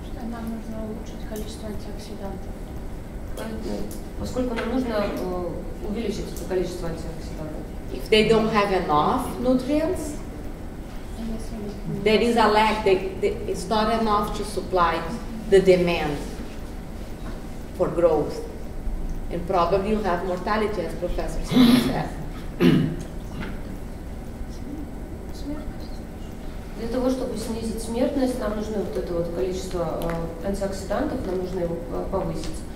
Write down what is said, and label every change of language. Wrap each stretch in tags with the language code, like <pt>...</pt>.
<ru>Нам нужно улучшить количество антиоксидантов. Поскольку нам нужно увеличить это количество антиоксидантов.</ru> <en>If they don't have enough nutrients, there is a lack. It's not enough to supply the demand for growth, and probably you have mortality, as Professor Sibel said.</en> <ru>Для того, чтобы снизить смертность, нам нужно вот это вот количество антиоксидантов, нам нужно его повысить.</ru>